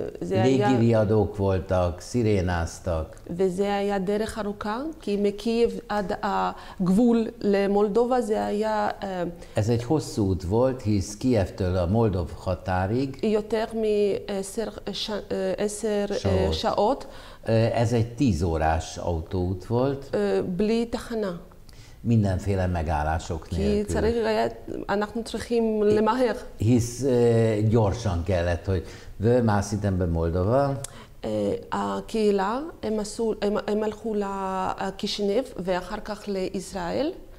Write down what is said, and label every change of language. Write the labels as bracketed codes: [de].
[hu] légiriadók voltak, szirénáztak. [he] וזה היה דרך ארוכה, כי מקייב עד הגבול למולדובה זה היה... [hu] ez egy hosszú út volt, hisz Kijevtől a Moldov határig. [he] יותר מ-10 שעות. [hu] Ez egy 10 órás autóút volt. [he] בלי תחנה. [hu] Mindenféle megállások nélkül. [he] אנחנו צריכים למהר. [hu] Hisz gyorsan kellett, hogy [he] ומעשיתם במולדובה? הקהילה, הם הלכו לקישינב ואחר כך לישראל.